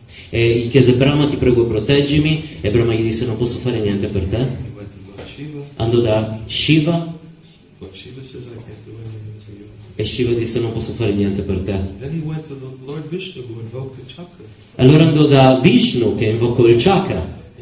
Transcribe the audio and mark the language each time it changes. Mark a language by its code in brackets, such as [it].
[it] e gli chiese: Brahma, ti prego proteggimi. E Brahma gli disse: non posso fare niente per te. Andò da Shiva, [en] Shiva says, I can't do anything for you. [it] E Shiva disse: non posso fare niente per te. Vishnu, allora andò da Vishnu che invocò il chakra.